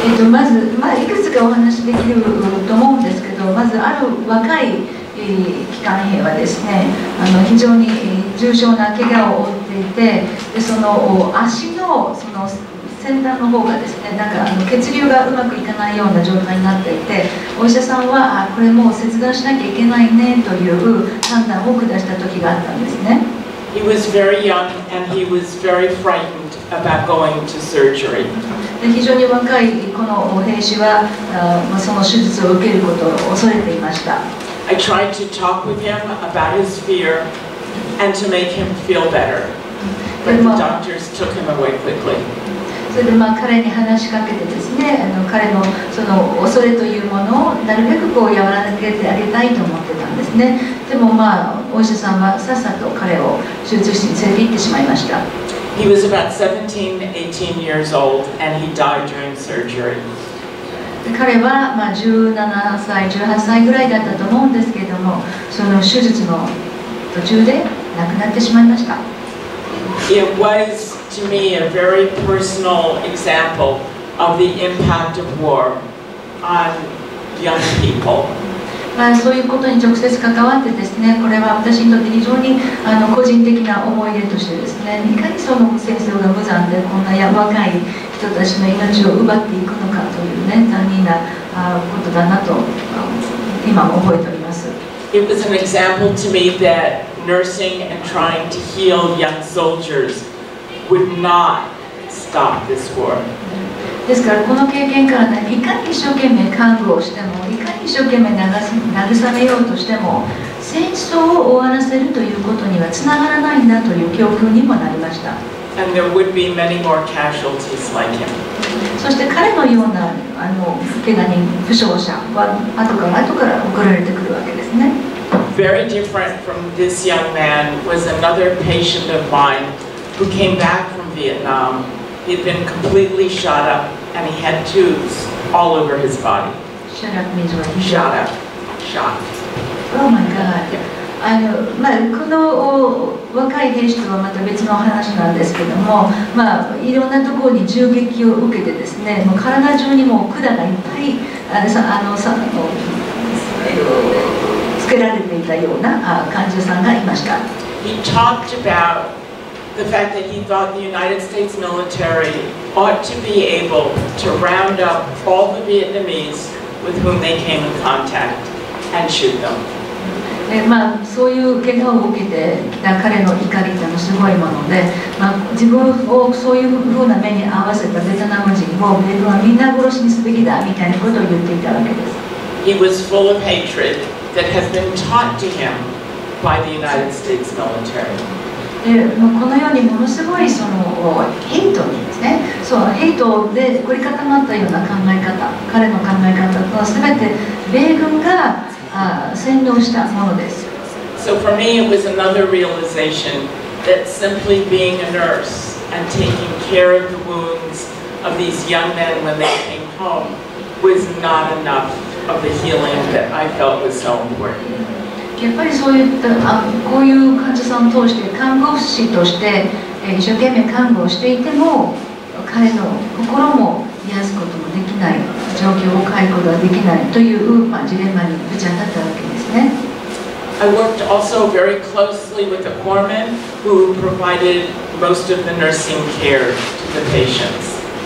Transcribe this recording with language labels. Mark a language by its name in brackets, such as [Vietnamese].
[Japanese] まずいくつかお話できると思うんですけど、まずある若い機関兵はですね、非常に重症な怪我を負っていて、でその足 その先端の方がですね、なんか血流がうまくいかないような状態になっていて、お医者さんはこれもう切断しなきゃいけないねという判断を下した時があったんですね。 [English] He was very young and he was very frightened about going to surgery. [Japanese] 非常に若いこの兵士はその手術を受けることを恐れていました。 [English] I tried to talk with him about his fear and to make him feel better. But the doctors took him away quickly. [Japanese] それでまあ彼に話しかけてですね、彼のその恐れというものをなるべくこう和らげてあげたいと思ってたんですね。でもまあお医者さんはさっさと彼を手術室に連れて行ってしまいました。 [English] He was about 17, 18 years old and he died during surgery. [Japanese] 彼はまあ17歳、18歳ぐらいだったと思うんですけれども、その手術の途中で亡くなってしまいました。 [English] It was to me a very personal example of the impact of war on young people. [Japanese] まあそういうことに直接関わってですね、これは私にとって非常に個人的な思い出としてですね、いかにその戦争が無残でこんな若い人たちの命を奪っていくのかというね、残忍なことだなと今も覚えております。 [English] It was an example to me that. Nursing and trying to heal young soldiers would not stop this war. [Japanese] ですからこの経験から、ね、いかに一生懸命看護をしてもいかに一生懸命慰めようとしても戦争を終わらせるということにはつながらないんだという教訓にもなりました。 [English] And there would be many more casualties like him. [Japanese] そして彼のようなあの怪我人、負傷者は後から送られてくるわけですね。 [English] Very different from this young man was another patient of mine who came back from Vietnam. He had been completely shot up and he had tubes all over his body. Shut up means what? Shot up. Shot. Oh my God. [Japanese] あの、まあ、この若い兵士とはまた別の話なんですけども、まあ、いろんなところに銃撃を受けてですね、もう体中にもう管がいっぱいあのつけられていたような患者さんがいました。 [English] He talked about the fact that he thought the United States military ought to be able to round up all the Vietnamese with whom they came in contact and shoot them. [Japanese] まあ、そういう怪我を受けてきた彼の怒りというのはすごいもので、まあ、自分をそういうふうな目に合わせたベトナム人を自分はみんな殺しにすべきだみたいなことを言っていたわけです。 [English] He was full of hatred that has been taught to him by the United States military. [Japanese] で、まあ、このようにものすごいそのヘイトにですね、そうヘイトで凝り固まったような考え方、彼の考え方とは全て米軍が洗脳したものです。 [English] So for me it was another realization that simply being a nurse and taking care of the wounds of these young men when they came home was not enough of the healing that I felt was so important. [Japanese] やっぱりそういったこういう患者さんを通して看護師として一生懸命看護をしていても彼の心も癒すこともできない。状況を変えることができないという、まあ、ジレンマにぶち当たったわけですね。 [English] I worked also very closely with the corpsman who provided most of the nursing care to the patients.